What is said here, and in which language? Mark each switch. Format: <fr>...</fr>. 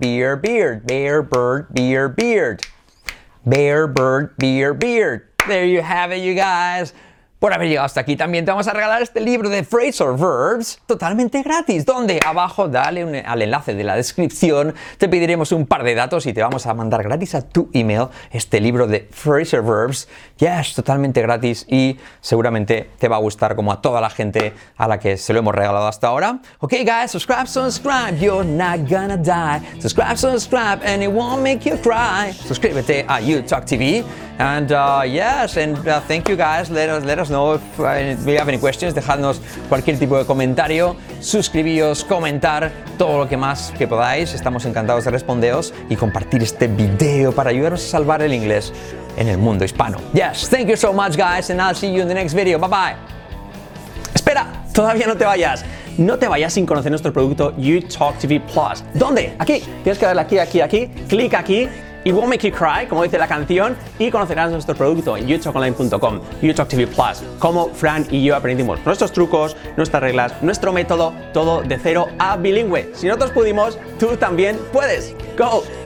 <en>Bear, bird, beer, beard. Bear, bird, beer, beard. There you have it, you guys.</en> <es>por haber llegado hasta aquí. También te vamos a regalar este libro de Phrasal Verbs totalmente gratis. ¿Dónde? Abajo, dale al enlace de la descripción. Te pediremos un par de datos y te vamos a mandar gratis a tu email este libro de Phrasal Verbs. Ya es totalmente gratis y seguramente te va a gustar como a toda la gente a la que se lo hemos regalado hasta ahora.</es> <en>Ok, guys, subscribe, subscribe. You're not gonna die. Subscribe, subscribe and it won't make you cry.</en> <es>Suscríbete a</es> <en>YouTalk TV. And yes, and thank you guys. Let us know if we have any questions.</en> <es>Dejadnos cualquier tipo de comentario. Suscribíos, comentar todo lo que más que podáis. Estamos encantados de responderos y compartir este video para ayudaros a salvar el inglés en el mundo hispano.</es> <en>Yes, thank you so much, guys, and I'll see you in the next video. Bye bye.</en> <es>Espera, todavía no te vayas. No te vayas sin conocer nuestro producto YouTalk TV Plus. ¿Dónde? Aquí. Tienes que darle aquí, aquí, aquí. Clic aquí.</es> <en>It won't make you cry,</en> <es>como dice la canción, y conocerás nuestro producto en youtalkonline.com, YouTalk TV Plus, cómo Fran y yo aprendimos nuestros trucos, nuestras reglas, nuestro método, todo de cero a bilingüe. Si nosotros pudimos, tú también puedes. ¡Go!</es>